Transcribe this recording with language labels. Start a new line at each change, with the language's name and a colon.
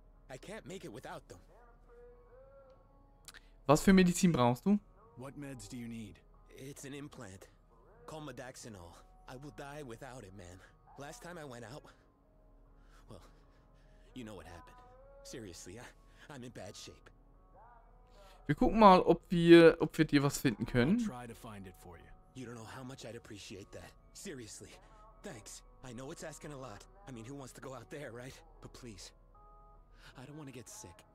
English: I can't make it without them.
German: Was für Medizin brauchst du?
English: What meds do you need? It's an implant. Call Modaxinol. I will die without it, man. Last time I went out, well, you know what happened. Seriously, I'm in bad shape.
German: Wir gucken mal, ob wir dir was finden können.
English: I'll try to find it for you. You don't know how much I'd appreciate that. Seriously, thanks. I know it's asking a lot. I mean, who wants to go out there, right? But please, I don't want to get sick.